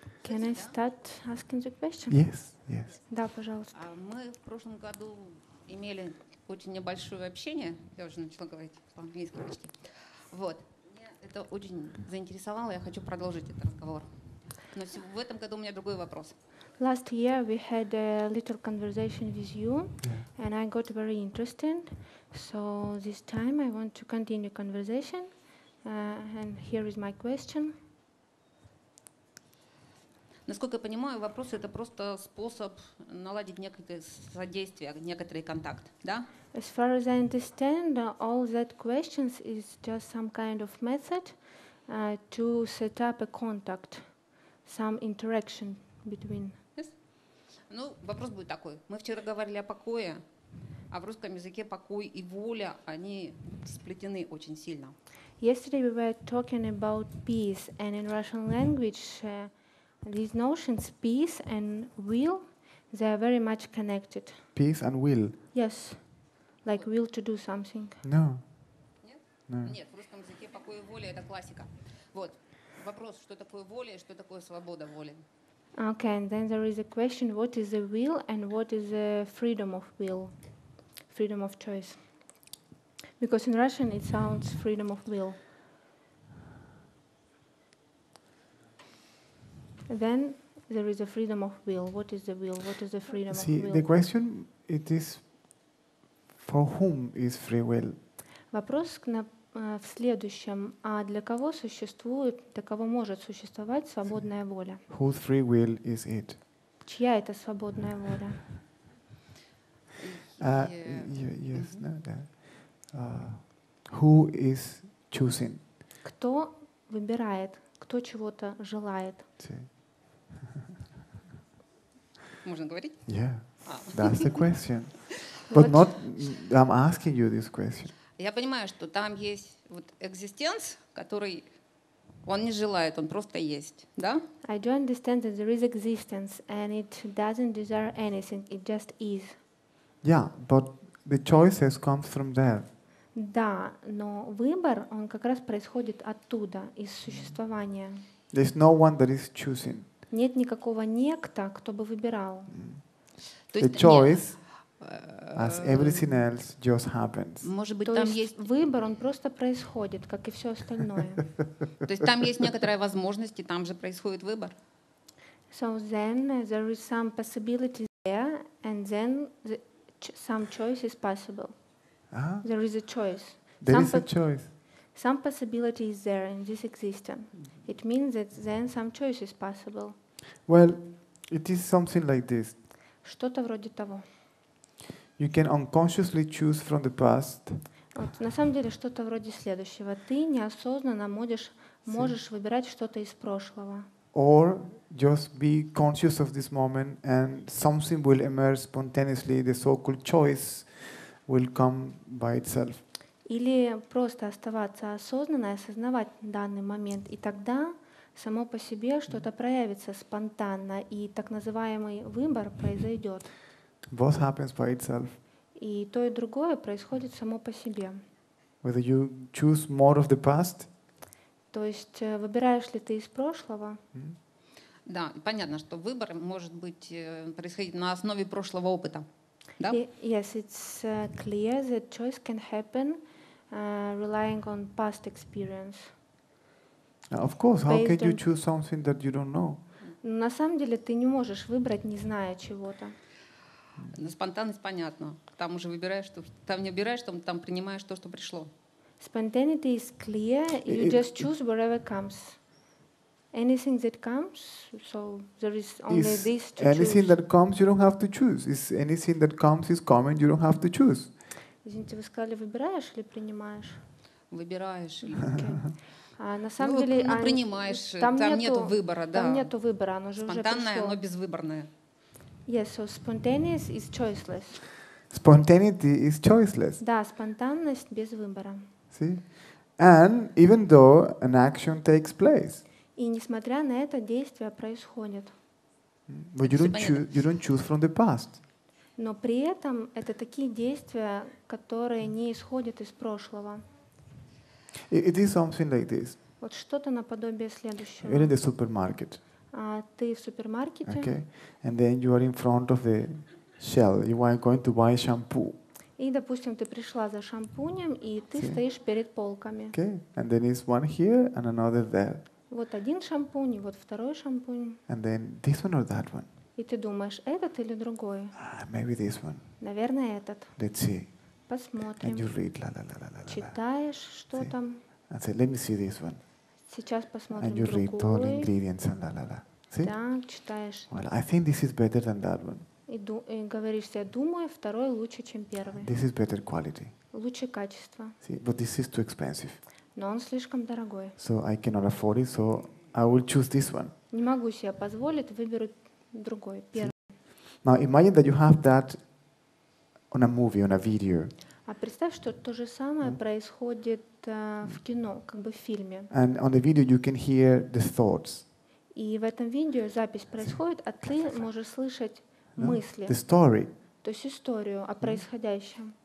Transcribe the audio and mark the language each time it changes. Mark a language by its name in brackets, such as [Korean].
[English] Can I start asking the question? Yes, yes. [Russian] Да, пожалуйста. Мы в прошлом году имели очень небольшое общение. Я уже начала говорить по-английски почти. Вот. Меня это очень заинтересовало. Я хочу продолжить этот разговор. Но в этом году у меня другой вопрос. [English] Last year we had a little conversation with you, and I got very interested. So this time I want to continue conversation, and here is my question. [Russian] Насколько я понимаю, вопрос это просто способ наладить некоторые содействия, некоторый контакт, да? [English] As far as I understand, all that questions is just some kind of method to set up a contact, some interaction between. [Russian] Ну, вопрос будет такой. Мы вчера говорили о покое, а в русском языке покой и воля, они сплетены очень сильно. [English] Yesterday we were talking about peace, and in Russian language these notions, peace and will, they are very much connected. Peace and will? Yes. Like will to do something. No. [Russian] Нет, в русском языке покой и воля — это классика. Вот. Вопрос, что такое воля и что такое свобода воли? [English] Okay, and then there is a question, what is the will and what is the freedom of will, freedom of choice? Because in Russian it sounds freedom of will. Then there is a freedom of will. What is the will? What is the freedom of will? See, the question, it is, for whom is free will? [Russian] Вопрос в следующем. А для кого существует, для кого может существовать свободная воля? [English] Whose free will is it? [Russian] Чья это свободная воля? [English] Yes, no, who is choosing? [Russian] Кто выбирает? Кто чего-то желает? Можно говорить? [English] Yeah, that's the question. But not, I'm asking you this question. [Russian] Я понимаю, что там есть вот экзистенс, который он не желает, он просто есть, да? [English] I do understand that there is existence and it doesn't desire anything, it just is. Yeah, but the choices come from there. [Russian] Да, но выбор, он как раз происходит оттуда, из существования. [English] There's no one that is choosing. [Russian] Нет никакого некто, кто бы выбирал. [English] The choice, as everything else, just happens. [Russian] Может быть, то там есть выбор, он просто происходит, как и все остальное. То есть там есть некоторая возможность, и там же происходит выбор. [English] So then there is some possibility there, and then some choice is possible. Uh-huh. There is a choice. There some is a choice. Some possibility is there in this existence. It means that then some choice is possible. Well, it is something like this. [Russian] Что-то вроде того. [English] You can unconsciously choose from the past. [Russian] Вот, на самом деле что-то вроде следующего. Ты неосознанно можешь выбирать что-то из прошлого. [English] Or just be conscious of this moment and something will emerge spontaneously, the so-called choice will come by itself. [Russian] Или просто оставаться осознанно и осознавать данный момент, и тогда само по себе что-то проявится спонтанно, и так называемый выбор произойдет. [English] Both happens by itself. [Russian] И то и другое происходит само по себе. [English] Whether you choose more of the past? [Russian] То есть выбираешь ли ты из прошлого? Mm-hmm. Да, понятно, что выбор может быть происходить на основе прошлого опыта. Да? [English] Yes, it's clear that choice can happen relying on past experience. Of course, how can you choose something that you don't know? [Russian] На самом деле ты не можешь выбрать, не зная чего-то. На спонтанность понятно. Там уже выбираешь, что там не выбираешь, там принимаешь то, что пришло. [English] Spontaneity is clear. You just choose whatever comes. Anything that comes, so there is only this to choose. Anything that comes, you don't have to choose. Is anything that comes is coming, you don't have to choose. [Russian] Извините, вы сказали, выбираешь или принимаешь? Выбираешь. Okay. На самом деле, ну, принимаешь. Там нету выбора, да. Там нету выбора, оно же уже пришло. Спонтанное, оно безвыборное. [English] Yes, so spontaneous is choiceless. Spontaneity is choiceless. [Russian] Да, спонтанность без выбора. [English] See? And even though an action takes place. [Russian] И несмотря на это, действие происходит. [English] But you don't choose from the past. [Russian] Но при этом это такие действия, которые не исходят из прошлого. [English] It is something like this. [Russian] Вот что-то наподобие следующего. [English] You're in the supermarket. [Russian] Ты в супермаркете. [English] Okay. And then you are in front of the shell. You are going to buy shampoo. [Russian] И, допустим, ты пришла за шампунем, и ты See? Стоишь перед полками. [English] Okay. And then is one here and another there. [Russian] Вот один шампунь, и вот второй шампунь. [English] And then this one or that one. [Russian] И ты думаешь, этот или другой? [English] Maybe this one. [Russian] Наверное, этот. [English] Let's see. [Russian] Посмотрим. [English] And you read, la-la-la-la-la. [Russian] Читаешь, что [English] see? [Russian] Там? [English] And say, let me see this one. [Russian] Сейчас посмотрим [English] and you [Russian] другой. [English] Read all ingredients and la-la-la. See? [Russian] Так, читаешь. [English] Well, I think this is better than that one. [Russian] И говоришь, я думаю, второй лучше, чем первый. [English] This is better quality. [Russian] Лучше качество. [English] See? But this is too expensive. [Russian] Но он слишком дорогой. [English] So I cannot afford it, so I will choose this one. [Russian] Не могу себе позволить, выберу другой, первый. [English] See? Now imagine that you have that on a movie, on a video. [Russian] А представь, что то же самое происходит в кино, как бы в фильме. [English] And on the video you can hear the thoughts. [Russian] И в этом видео запись происходит, а ты можешь слышать мысли. [English] The story. [Russian] То есть историю о происходящем.